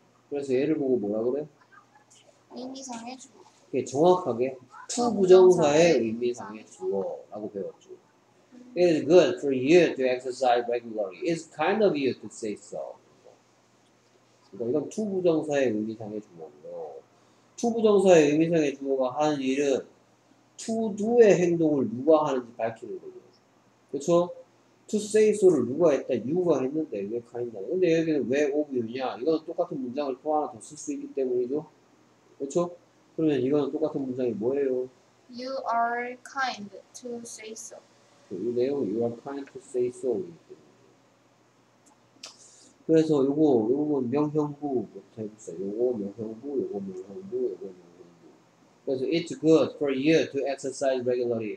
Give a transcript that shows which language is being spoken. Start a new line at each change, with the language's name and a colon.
Korean: 그래서 얘를 보고 뭐라 그래? 의미상의 주어. 이게 정확하게 to 부정사의 의미상의 주어라고 배웠죠.
English: It is good for you to exercise regularly. It's kind of you to say so.
Korean: 그러니까 이건 to 부정사의 의미상의 주어고요. to 부정사의 의미상의 주어가 하는 일은 to do의 행동을 누가 하는지 밝히는 거죠. 그렇죠? to say so를 누가 했다, you가 했는데 왜 kind of? 근데 여기는 왜 of이냐? 이건 똑같은 문장을 또 하나 더 쓸 수 있기 때문이죠. 그렇죠? 그러면 이건 똑같은 문장이 뭐예요?
English: You are kind to say so.
Korean: 이 내용,
English: you are kind to say so.
Korean: 그래서 요거, 요거는 명형부, 이렇게 해보세요. 요거 명형부, 요거 명형부, 요거 명형부. 그래서
English: it's good for you to exercise regularly.